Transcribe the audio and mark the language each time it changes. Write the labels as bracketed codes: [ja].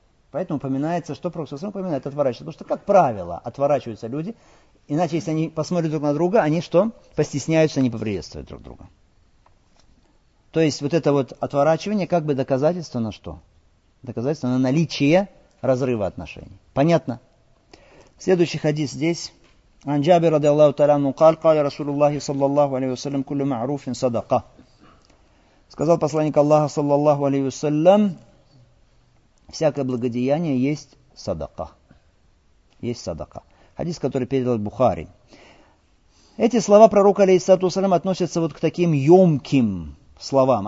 [ru] Поэтому упоминается, что пророк Саусам упоминает, отворачивается. Потому что, как правило, отворачиваются люди. Иначе, если они посмотрят друг на друга, они что? Постесняются не поприветствовать друг друга. То есть, вот это вот отворачивание, как бы доказательство на что? Доказательство на наличие разрыва отношений. Понятно? Следующий хадис здесь. [ar] عن جابر رضي الله تعالى عنه قال قال رسول الله صلى الله عليه وسلم كل معروف صدقة. [ru] Сказал посланник Аллаха صلى الله عليه وسلم всякое благодеяние есть садака. Есть садака. Хадис, который передал Бухари. Эти слова пророка алейхиссалату вассалям относятся вот к таким ёмким словам.